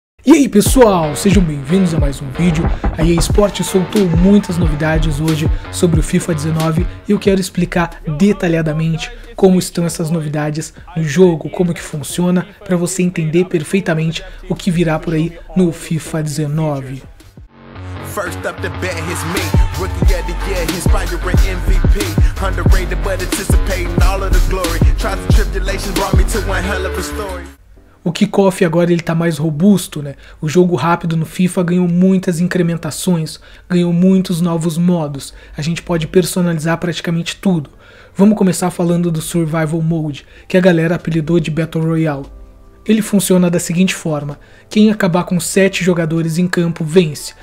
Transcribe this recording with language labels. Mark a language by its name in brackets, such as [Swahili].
[Portuguese] E aí pessoal, sejam bem-vindos a mais um vídeo. A EA Sports soltou muitas novidades hoje sobre o FIFA 19 e eu quero explicar detalhadamente como estão essas novidades no jogo, como que funciona, para você entender perfeitamente o que virá por aí no FIFA 19. [English] First up to bat is me, rookie of the year, inspiring MVP, underrated but anticipating all of the glory, trials and tribulations brought me to one hell of a story. [Portuguese] O kickoff agora ele tá mais robusto, né? O jogo rápido no FIFA ganhou muitas incrementações, ganhou muitos novos modos. A gente pode personalizar praticamente tudo. Vamos começar falando do Survival Mode, que a galera apelidou de Battle Royale. Ele funciona da seguinte forma: quem acabar com 7 jogadores em campo vence.